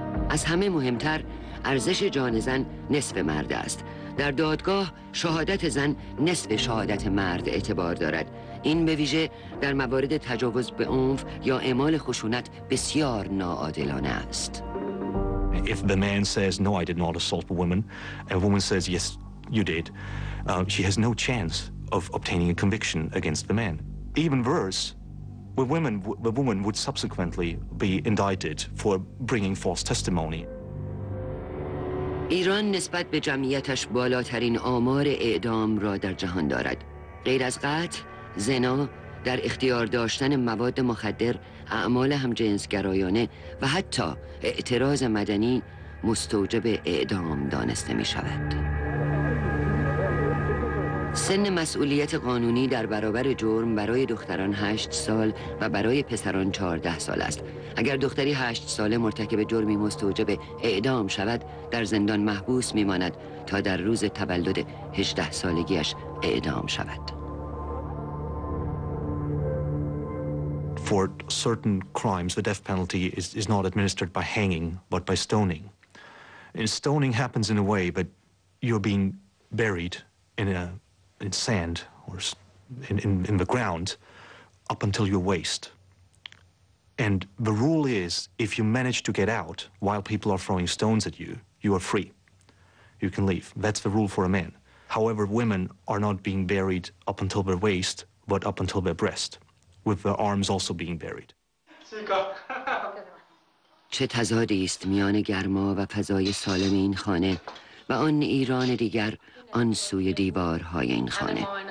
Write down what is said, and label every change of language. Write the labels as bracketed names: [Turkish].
[Persian] از همه مهمتر، ارزش جان زن نصف مرد است. در دادگاه شهادت زن نصف شهادت مرد اعتبار دارد. این به ویژه در موارد تجاوز به عنف یا اعمال خشونت بسیار ناعادلانه است. [English] If the man says, no, I did not assault a woman, and a woman says, yes, you did, she has no chance of obtaining a conviction against the man. Even worse, the woman would subsequently be indicted for bringing false testimony. [Persian] ایران نسبت به جمعیتش بالاترین آمار اعدام را در جهان دارد. غیر از قتل، زنا، در اختیار داشتن مواد مخدر، اعمال همجنسگرایانه و حتی اعتراض مدنی مستوجب اعدام دانسته می شود. سن مسئولیت قانونی در برابر جرم برای دختران 8 سال و برای پسران 14 سال است. اگر دختری 8 ساله مرتکب جرمی مستوجب اعدام شود، در زندان محبوس می ماند تا در روز تولد 18 سالگیش اعدام شود. [English] For certain crimes, the death penalty is not administered by hanging, but by stoning. And stoning happens in a way, but you're being buried in sand or in the ground up until your waist. And the rule is, if you manage to get out while people are throwing stones at you, you are free. You can leave. That's the rule for a man. However, women are not being buried up until their waist, but up until their breast. With the arms also being buried. [Persian] چه تضادی است میان گرما و فضای سالم این خانه و آن ایران دیگر، آن سوی دیوارهای این خانه.